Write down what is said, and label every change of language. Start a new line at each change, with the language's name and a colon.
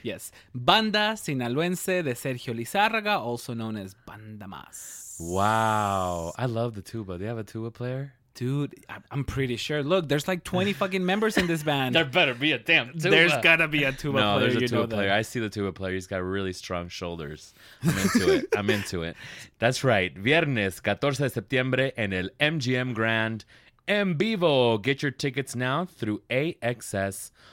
English: Yes. Banda Sinaloense de Sergio Lizárraga, also known as Banda Más. Wow. I love the tuba. Do you have a tuba player? Dude, I'm pretty sure. Look, there's like 20 fucking members in this band. There better be a damn tuba. There's gotta be a tuba player. No, there's a you tuba know player. That. I see the tuba player. He's got really strong shoulders. I'm into it. I'm into it. That's right.
Spanish: Viernes, 14 de septiembre, en el MGM Grand en vivo.
English: Get your tickets now through AXS.com.